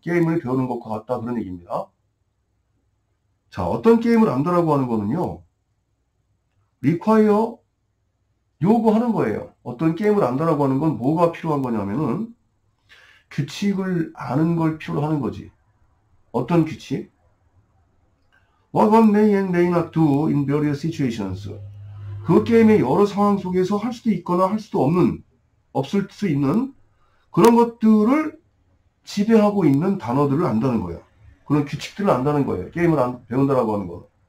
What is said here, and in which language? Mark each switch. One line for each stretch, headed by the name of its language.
Korean: 게임을 배우는 것과 같다, 그런 얘기입니다. 자, 어떤 게임을 안다라고 하는 거는요, require 요구하는 거예요. 어떤 게임을 안다라고 하는 건 뭐가 필요한 거냐면은 규칙을 아는 걸 필요로 하는 거지. 어떤 규칙?
English: What one may and may not do in various situations.
Korean: 그 게임의 여러 상황 속에서 할 수도 있거나 할 수도 없는, 없을 수 있는 그런 것들을 지배하고 있는 단어들을 안다는 거야. 그런 규칙들을 안다는 거예요. 게임을 배운다라고 하는 거는.